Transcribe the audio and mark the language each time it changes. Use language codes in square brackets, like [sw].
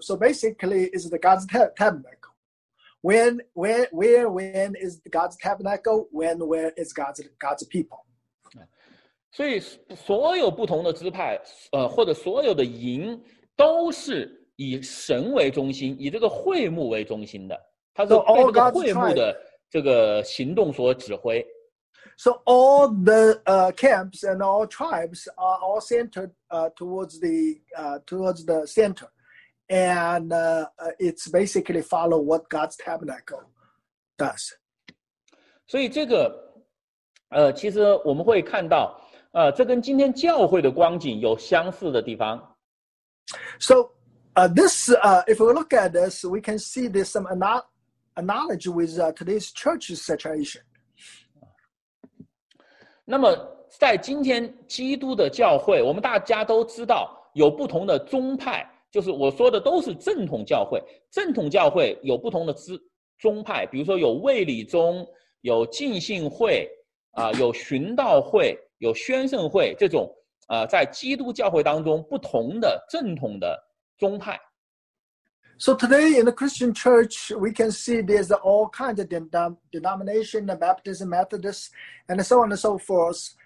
[en] So basically, it's the God's tabernacle. When is God's tabernacle? Where is God's people? [zh] 所以所有不同的支派，或者所有的营，都是以神为中心，以这个会幕为中心的。它是被这个会幕的这个行动所指挥。 [en] So all the camps and all tribes are all centered towards the center. And it's basically follow what God's tabernacle does. [zh] 所以这个其实我们会看到这跟今天教会的光景有相似的地方。 [en] So this, if we look at this, we can see there's some analogy with today's church's situation. [zh] 那么在今天基督的教会，我们大家都知道有不同的宗派。就是我说的都是正统教会，正统教会有不同的宗派，比如说有卫理宗，有浸信会，有寻道会，有宣圣会，这种在基督教会当中不同的正统的宗派。 [en] So today in the Christian church, we can see there's all kinds of denomination, Baptist, Methodist, and so on and so forth.